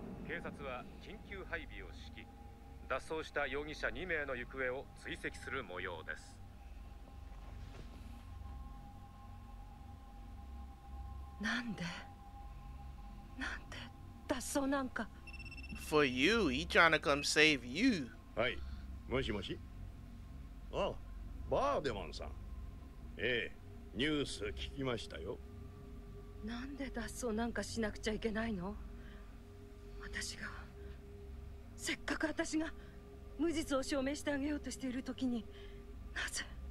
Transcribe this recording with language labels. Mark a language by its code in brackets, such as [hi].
[ja] 警察は緊急配備を敷き、脱走した容疑者2名の行方を追跡する模様です。なんで、なんで脱走なんか。 [en] For you, he trying to come save you. [ja] はい、もしもし。あ、バーデマンさん。ええ、ニュース聞きましたよ。なんで脱走なんかしなくちゃいけないの。私が、せっかく私が無実を証明してあげようとしている時に、なぜ。